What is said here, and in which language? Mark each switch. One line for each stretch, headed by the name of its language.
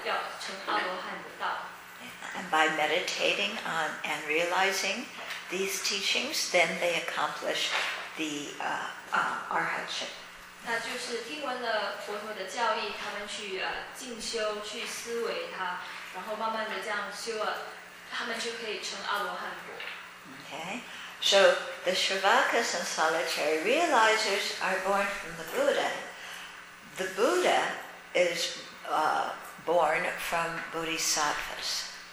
Chinese: 所以为什么说声闻中佛能往生，就是从佛中升起声闻和缘觉，就是因为他们是听了佛陀的教义，他们才开始修他们的要成阿罗汉的道。And
English: by meditating on and realizing these teachings, then they accomplish the arhatship.
Chinese: 那就是听闻了佛陀的教义，他们去进修，去思维它，然后慢慢的这样修了。
English: Okay, so the Shravakas and solitary realizers are born from the Buddha. The Buddha is born from bodhisattvas.